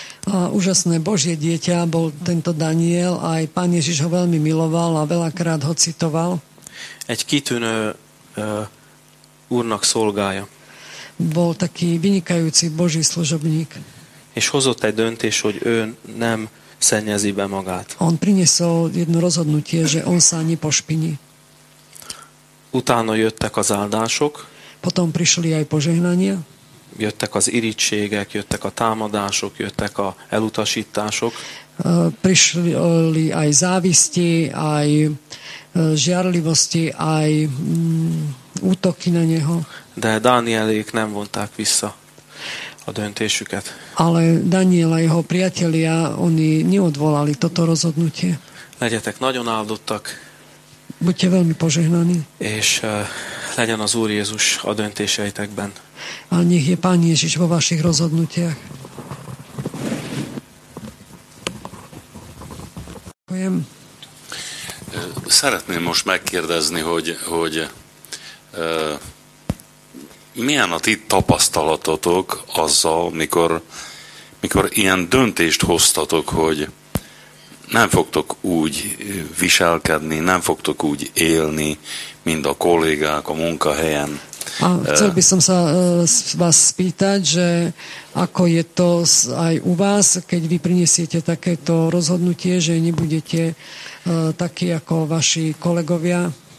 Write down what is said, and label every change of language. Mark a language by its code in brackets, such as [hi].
[sk] A úžasné Božie dieťa bol tento Daniel, aj Pán Ježiš ho veľmi miloval a veľakrát ho citoval. [hu] Egy kitűnő Úrnak szolgája. [sk] Bol taký vynikajúci Boží služobník. [hu] És hozott egy döntés, hogy ő nem szennyezi be magát. [sk] On priniesol jedno rozhodnutie, že on sa nepošpiní. [hu] Utána jöttek az áldások. [sk] Potom prišli aj požehnania. [hu] Jöttek az irigységek, jöttek a támadások, jöttek a elutasítások. [sk] Prišli aj závisti, aj žiarlivosti, aj útoky na neho. [hu] De Danielék nem vonták vissza a döntésüket. [sk] Ale Daniel a jeho priatelia, oni neodvolali toto rozhodnutie. [hu] Legyetek nagyon áldottak. [sk] Buďte veľmi požehnaní. [hu] És legyen az Úr Jézus a döntéseitekben. [sk] A nech je Pán Ježiš vo vašich rozhodnutiach. Ďakujem. [hu] Szeretném most megkérdezni, hogy milyen a ti tapasztalatotok azzal, mikor ilyen döntést hoztatok, hogy nem fogtok úgy viselkedni, nem fogtok úgy élni, mint a kollégák a munkahelyen. [sk] A chcel by som sa vás spýtať, že ako je to aj u vás, keď vy prinesiete takéto rozhodnutie, že nebudete takí ako vaši kolegovia?